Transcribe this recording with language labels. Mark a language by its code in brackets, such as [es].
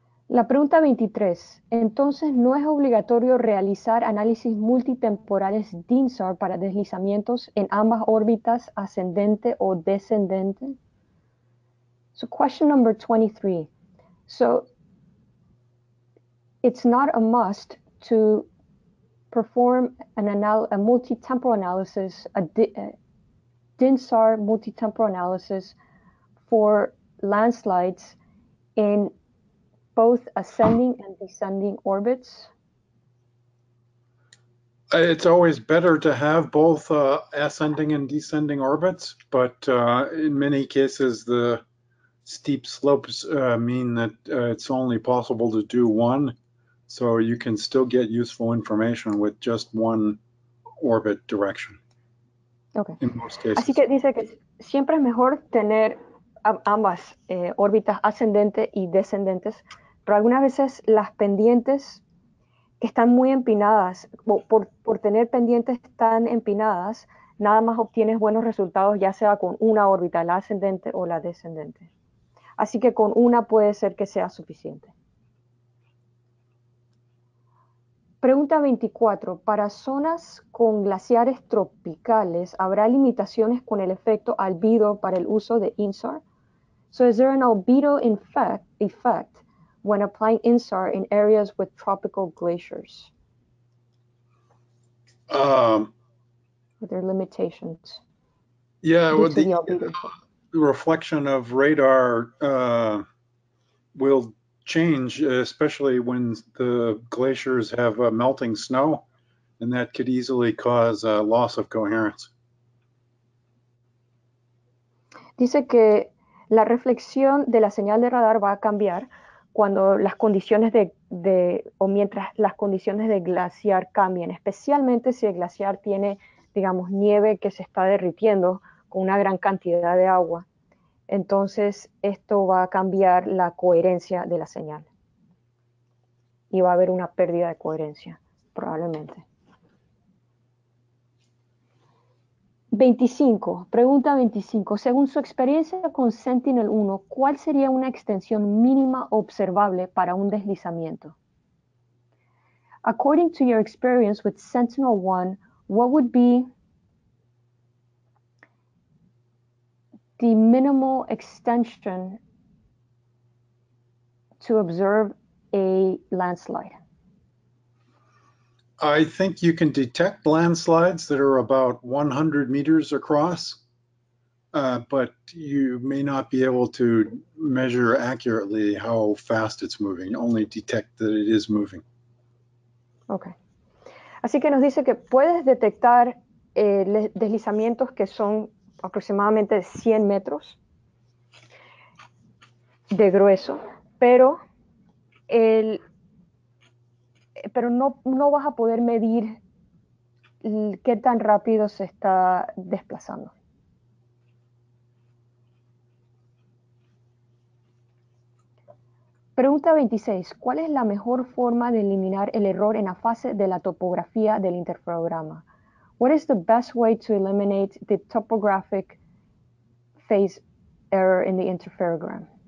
[es] La pregunta 23. Entonces, ¿no es obligatorio realizar análisis multitemporales de INSAR para deslizamientos en ambas órbitas ascendente o descendente? [en] So, question number 23. So, it's not a must to perform a multi-temporal analysis, a DINSAR multi-temporal analysis for landslides in both ascending and descending orbits. It's always better to have both ascending and descending orbits, but in many cases the steep slopes mean that it's only possible to do one, so you can still get useful information with just one orbit direction Okay. in most [es] Así que [en] cases. [es] dice que siempre es mejor tener ambas órbitas ascendentes y descendentes. Pero algunas veces las pendientes que están muy empinadas, por tener pendientes tan empinadas, nada más obtienes buenos resultados, ya sea con una órbita, la ascendente o la descendente. Así que con una puede ser que sea suficiente. Pregunta 24. ¿Para zonas con glaciares tropicales habrá limitaciones con el efecto albedo para el uso de INSAR? [en] So, is there an albedo effect when applying INSAR in areas with tropical glaciers? Are there limitations Yeah, due well, to the albedo effect? the reflection of radar will change, especially when the glaciers have melting snow, and that could easily cause a loss of coherence. [es] Dice que la reflexión de la señal de radar va a cambiar cuando las condiciones o mientras las condiciones de glaciar cambien, especialmente si el glaciar tiene, digamos, nieve que se está derritiendo con una gran cantidad de agua. Entonces, esto va a cambiar la coherencia de la señal. Y va a haber una pérdida de coherencia, probablemente. 25, pregunta 25. Según su experiencia con Sentinel-1, ¿cuál sería una extensión mínima observable para un deslizamiento? [en] According to your experience with Sentinel-1, what would be the minimal extension to observe a landslide? I think you can detect landslides that are about 100 meters across, but you may not be able to measure accurately how fast it's moving, only detect that it is moving. Okay. [es] Así que nos dice que puedes detectar deslizamientos que son aproximadamente 100 metros de grueso, pero no vas a poder medir qué tan rápido se está desplazando. Pregunta 26. ¿Cuál es la mejor forma de eliminar el error en la fase de la topografía del interferograma? [en] What is the best way to eliminate the topographic phase error in the interferogram?